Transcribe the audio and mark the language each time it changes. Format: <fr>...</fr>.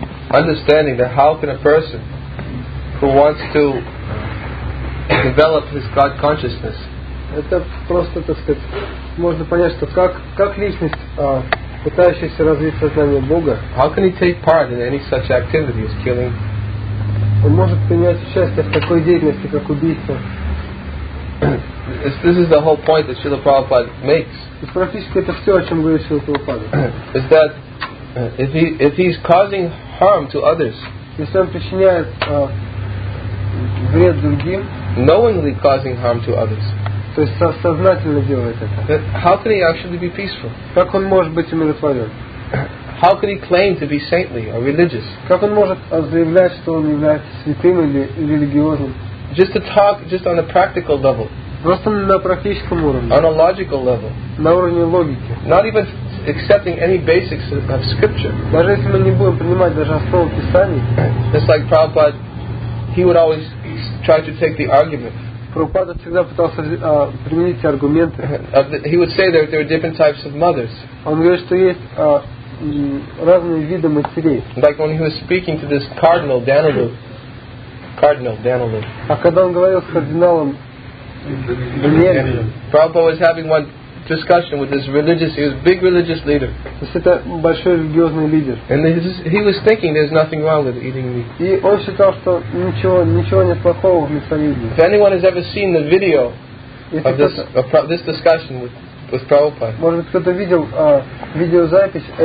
<en>understanding that how can a person who wants to develop his God consciousness?</en> <ru>Это просто, так сказать, можно понять, что как личность, пытающаяся развить сознание Бога.</ru> <en>How can he take part in any such activity as killing?</en> <ru>Он может принять участие в такой деятельности, как убийство.</ru> <en>This is the whole point that Srila Prabhupada makes.</en> <ru>И практически это все, о чем говорит Srila Prabhupada.</ru> <en>Is that if he's causing harm to others,</en> <ru>если он причиняет вред другим,</ru> <en>knowingly causing harm to others,</en> <ru>то есть сознательно делает это,</ru> <en>how can he actually be peaceful?</en> <ru>Как он может быть умиротворен?</ru> <en>How can he claim to be saintly or religious?</en> <ru>Как он может заявлять, что он является святым или религиозным?</ru> <en>Just to talk, just on a practical level.</en> <ru>Просто на практическом уровне.</ru> <en>On a logical level.</en> <ru>На уровне логики.</ru> <en>Not even accepting any basics of scripture.</en> <ru>Даже если мы не будем принимать даже основы Писания.</ru> <en>Just like Prabhupada, he would always try to take the argument.</en> <ru>Прабхупада всегда пытался применить аргументы.</ru> <en>He would say that there are different types of mothers.</en> <ru>Он говорит, что есть разные виды матерей.</ru> <en>Like when he was speaking to this cardinal, Danilo. Cardinal Danilo.</en> <ru>А когда он говорил с кардиналом Данилом,</ru> <en>Prabhupada was having one discussion with this religious, he was a big religious leader.</en> <ru>Это большой религиозный лидер.</ru> <en>And he was thinking there's nothing wrong with eating meat.</en> <ru>И он считал, что ничего нет плохого в мясоедении.</ru> <en>If anyone has ever seen the video of this discussion with Prabhupada,</en> <ru>может быть, кто-то видел видеозапись.</ru>